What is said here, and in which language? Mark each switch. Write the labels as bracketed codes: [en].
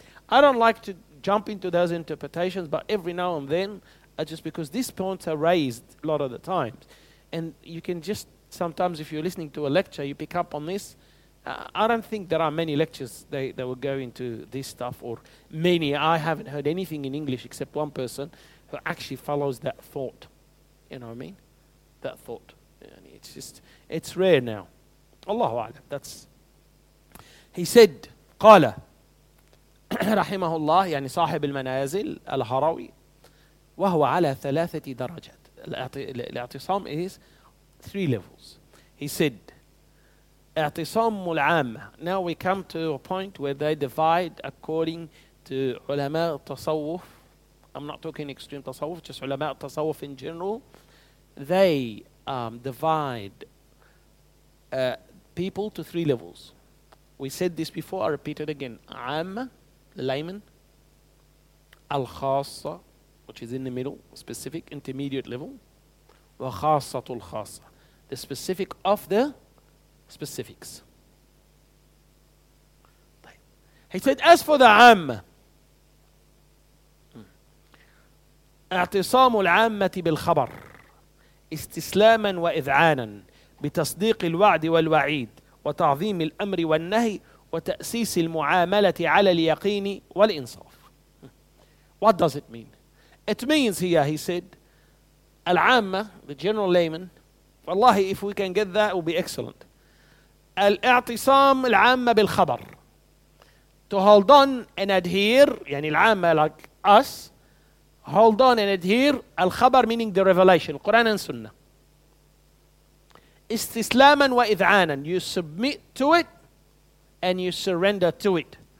[en] I don't like to jump into those interpretations, but every now and then, just because these points are raised a lot of the times, and you can just, sometimes if you're listening to a lecture, you pick up on this, I don't think there are many lectures that will go into this stuff, or many. I haven't heard anything in English except one person who actually follows that thought. You know what I mean? That thought. And it's just, it's rare now. [ar] Allahu a'lam. [en] That's, he said, [ar] قال رحمه الله يعني صاحب المنازل الهروي وهو على ثلاثة درجات. [en] الاعتصام is three levels. He said, [ar] اعتصام العامة. [en] Now we come to a point where they divide according to علماء التصوف. I'm not talking extreme tasawuf, just علماء التصوف in general. They divide people to three levels. We said this before, I repeat it again. عامة, layman. الخاصة, which is in the middle, specific, intermediate level. [ar] وخاصة الخاصة, [en] the specific of the specifics. He said, as for the [ar] عامة, اعتصام العامة بالخبر استسلاما وإذعانا بتصديق الوعد والوعيد وتعظيم الأمر والنهي وتأسيس المعاملة على اليقين والإنصاف. [en] What does it mean? It means here, he said, العامة, the general layman, والله, if we can get that, it will be excellent. [ar] الاعتصام العامة بالخبر. [en] To hold on and adhere, يعني العامة like us, hold on and adhere, الخبر meaning the revelation, القرآن والسنة. [ar] استسلاما وإذعانا, [en] you submit to it and you surrender to it.